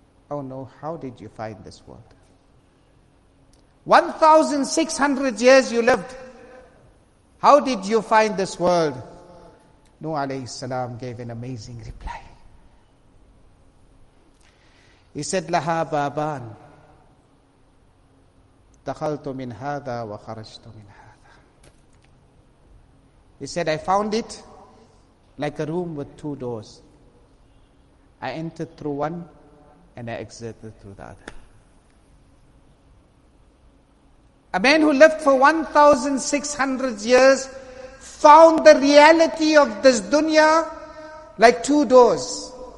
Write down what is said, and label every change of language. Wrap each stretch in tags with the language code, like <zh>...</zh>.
<en>Oh no, how did you find this world? 1,600 years you lived. How did you find this world? Nuh alayhi salam gave an amazing reply.</en> <ar>He said, لَهَا بَابَان دَخَلْتُ مِنْ هَذَا وَخَرَجْتُ مِنْ هَذَا.</ar> <en>He said, I found it like a room with two doors. I entered through one and I exited through the other. A man who lived for 1,600 years found the reality of this dunya like two doors.</en>